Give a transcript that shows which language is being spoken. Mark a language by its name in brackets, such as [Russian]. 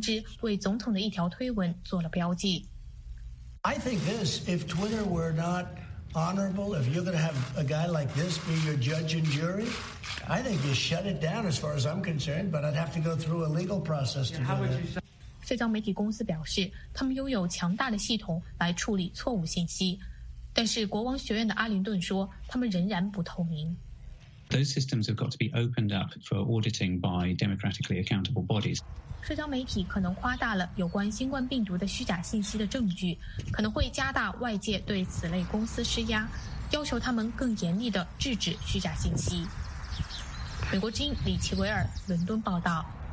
[Chinese] 此前，推特用事实检查通知为总统的一条推文做了标记。 [English] I think this, if Twitter were not honorable, if you're going to have a guy like this be your judge and jury, I think you shut it down as far as I'm concerned, but I'd have to go through a legal process to do it. [Chinese] 社交媒体公司表示，他们拥有强大的系统来处理错误信息，但是国王学院的阿灵顿说，他们仍然不透明。 [English] Those systems have got to be opened up for auditing by democratically accountable bodies. [Chinese] 社交媒体可能夸大了有关新冠病毒的虚假信息的证据，可能会加大外界对此类公司施压，要求他们更严厉地制止虚假信息。美国之音李奇维尔，伦敦报道。